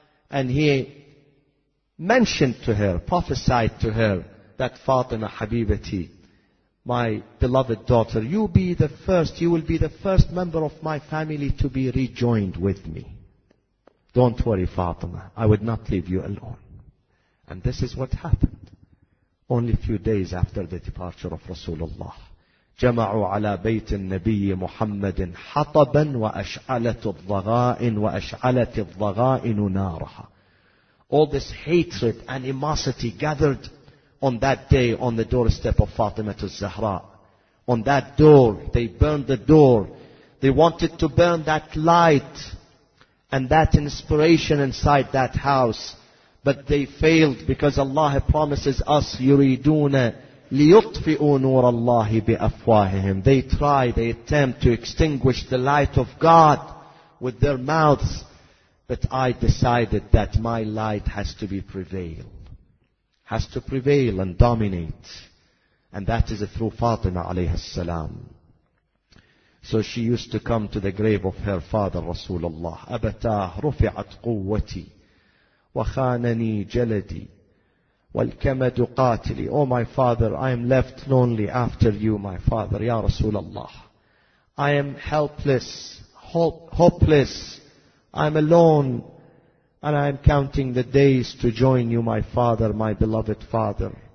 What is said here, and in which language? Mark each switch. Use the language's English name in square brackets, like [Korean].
[English] And he mentioned to her, prophesied to her, that Fatima Habibati, my beloved daughter, you be the first, you will be the first member of my family to be rejoined with me. Don't worry, Fatima. I would not leave you alone. And this is what happened. Only a few days after the departure of Rasulullah. [Arabic] جمعوا على بيت النبي محمد حطبا وأشعلت الضغائن وأشعلت الضغائن نارها. [English] All this hatred, animosity gathered on that day on the doorstep of Fatima al-Zahra. On that door, they burned the door. They wanted to burn that light and that inspiration inside that house. But they failed because Allah promises us, [Arabic] يُرِيدُونَ لِيُطْفِئُوا نُورَ اللَّهِ بِأَفْوَاهِهِمْ. [English] They try, they attempt to extinguish the light of God with their mouths. But I decided that my light has to be prevail. Has to prevail and dominate. And that is through Fatima alayhi salam. So she used to come to the grave of her father Rasulullah. [Arabic] أَبَتَاهُ رُفِعَتْ قُوَّتِي وخانني جلدي والكمد قاتلي. [English] Oh my father, I am left lonely after you, my father, [Arabic] يا رسول الله. [English] I am helpless, hopeless. I am alone and I am counting the days to join you, my father, my beloved father.